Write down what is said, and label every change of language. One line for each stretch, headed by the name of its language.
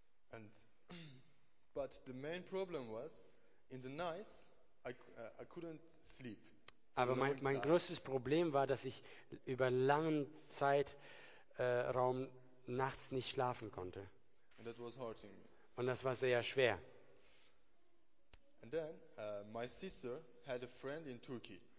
English: And but the main problem was in the nights I couldn't sleep.
German: Aber mein größtes Problem war, dass ich über langen Zeitraum nachts nicht schlafen konnte.
English: That was hurting me.
German: Und das war sehr schwer.
English: And then, my sister had a friend in Turkey.